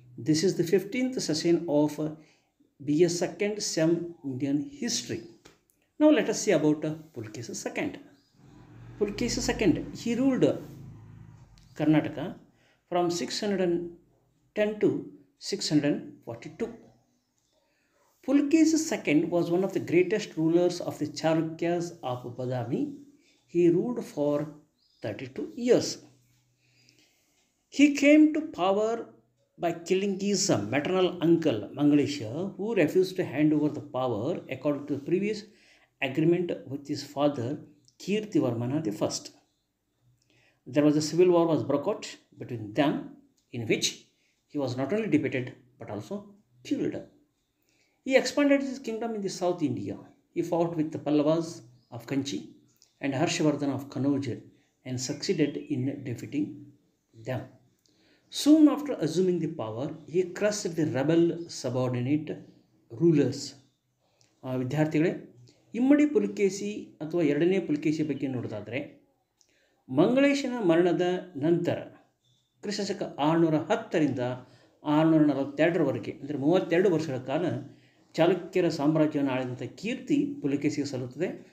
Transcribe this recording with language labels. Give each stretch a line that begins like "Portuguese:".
English: This is the 15th session of BA second sem Indian history. Now let us see about Pulikeshi second. Pulikeshi second he ruled Karnataka from 610 to 642. Pulkesi II was one of the greatest rulers of the Chalukyas of Badami. He ruled for 32 years. He came to power by killing his maternal uncle Mangalesha, who refused to hand over the power according to the previous agreement with his father Kirtivarmana the First. There was a civil war was broke out between them, in which he was not only defeated but also killed. He expanded his kingdom in the South India. He fought with the Pallavas of Kanchi and Harshavardhan of Kannauj and succeeded in defeating them. Soon after assuming the power, he crushed the rebel subordinate rulers.
Kannada: ವಿದ್ಯಾರ್ಥಿಗಳೇ, ಇಮ್ಮಡಿ ಪುಲಿಕೇಶಿ ಅಥವಾ ಎರಡನೇ ಪುಲಿಕೇಶಿ ಬಗ್ಗೆ ನೋಡೋದಾದರೆ, ಮಂಗಳೇಶನ ಮರಣದ ನಂತರ ಕ್ರಿಸ್ತಶಕ 610ರಿಂದ 642ರವರೆಗೆ, ಅಂದರೆ 32 ವರ್ಷಗಳ ಕಾಲ ಚಾಲುಕ್ಯರ ಸಾಮ್ರಾಜ್ಯವನ್ನು ಆಳಿದಂಥ ಕೀರ್ತಿ ಪುಲಿಕೇಶಿಗೆ ಸಲ್ಲುತ್ತದೆ.